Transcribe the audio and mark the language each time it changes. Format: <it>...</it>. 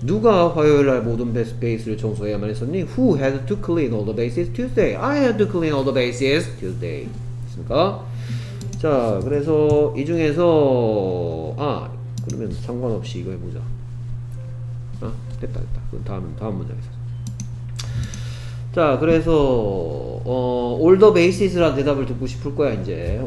<ko>누가 화요일날 모든 베이스를 청소해야만 했었니?</ko> <en>Who had to clean all the bases Tuesday? I had to clean all the bases Tuesday.</en> <ko>됐습니까? 자, 그래서 이 중에서 아, 그러면 상관없이 이거 해보자. 아, 됐다. 그럼 다음 문장에서. 자, 그래서</ko> <en>all the bases</en> <ko>라는 대답을 듣고 싶을 거야 이제.</ko>